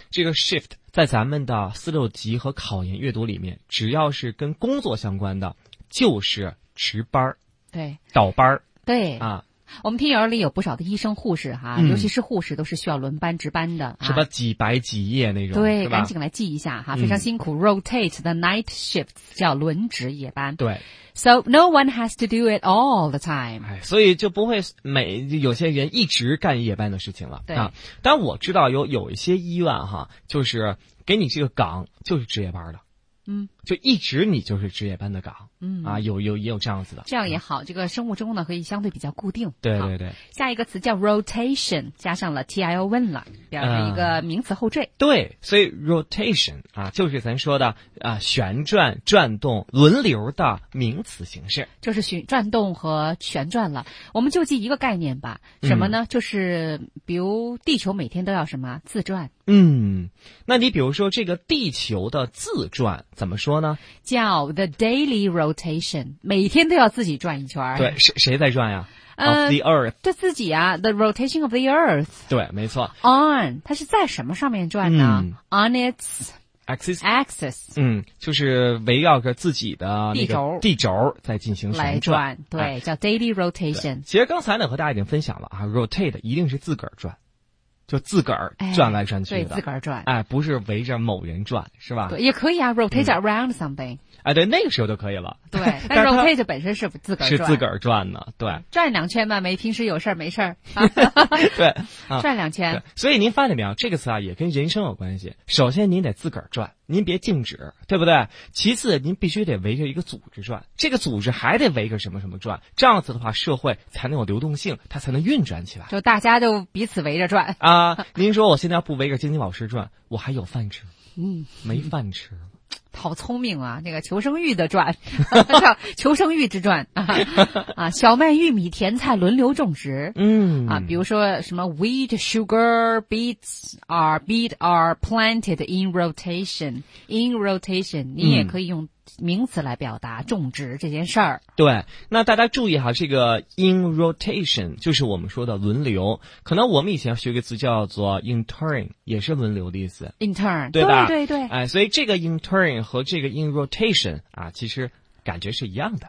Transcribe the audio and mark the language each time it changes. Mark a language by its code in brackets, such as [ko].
[zh] 这个 shift 在咱们的四六级和考研阅读里面，只要是跟工作相关的，就是值班，对，倒班，对啊。我们听友里有不少的医生护士哈、尤其是护士都是需要轮班值班的，什么几白几夜那种，对，赶紧来记一下哈，非常辛苦。 [en] Rotate the night shift [zh] 叫轮值夜班，对。 [en] So no one has to do it all the time、 [zh] 所以就不会每有些人一直干夜班的事情了，对、但我知道有一些医院哈，就是给你这个岗就是值夜班的，就一直你就是值夜班的岗，有这样子的，这样也好，这个生物钟呢可以相对比较固定。对对对，下一个词叫 rotation， 加上了 t i o n 了，表示一个名词后缀。对，所以 rotation 啊，就是咱说的啊，旋转、转动、轮流的名词形式，就是转动和旋转了。我们就记一个概念吧，什么呢？就是比如地球每天都要什么自转。那你比如说这个地球的自转怎么说呢？叫 [en] the daily rotation， [zh] 每天都要自己转一圈。对，谁在转呀？ [en] Of the earth， [zh] 对，自己啊， [en] the rotation of the earth。 [zh] 对，没错。 on， 它是在什么上面转呢？ [en] on its axis， axis， [zh] 就是围绕着自己的那个地轴在进行旋转。对，叫 [en] daily rotation。 [zh] 其实刚才呢和大家已经分享了啊， rotate 一定是自个儿转，就自个儿转来转去的，对，自个儿转，不是围着某人转，是吧？对，也可以啊 ， [en] rotate around something。 [zh] 对，那个时候就可以了。对，但 rotate 本身是自个儿转，是自个儿转的，对。转两圈嘛，没平时有事儿没事儿。对，转两圈。所以您发现没有，这个词啊也跟人生有关系。首先，您得自个儿转，您别静止，对不对？其次，您必须得围着一个组织转，这个组织还得围着什么什么转，这样子的话，社会才能有流动性，它才能运转起来。就大家就彼此围着转啊！您说我现在要不围着晶晶老师转，我还有饭吃？没饭吃。好聪明啊，那个求生欲的转，求生欲之转啊，小麦、玉米、甜菜轮流种植。 [en] 比如说什么 wheat, sugar, beet are planted in rotation. In rotation, [zh] 你也可以用名词来表达种植这件事儿。对，那大家注意哈，这个 [en] in rotation [zh] 就是我们说的轮流。可能我们以前学个词叫做 intern， 也是轮流的意思。 [en] intern， [zh] 对吧？对对对。所以这个 intern 和这个 [en] in rotation [zh] 啊，其实感觉是一样的。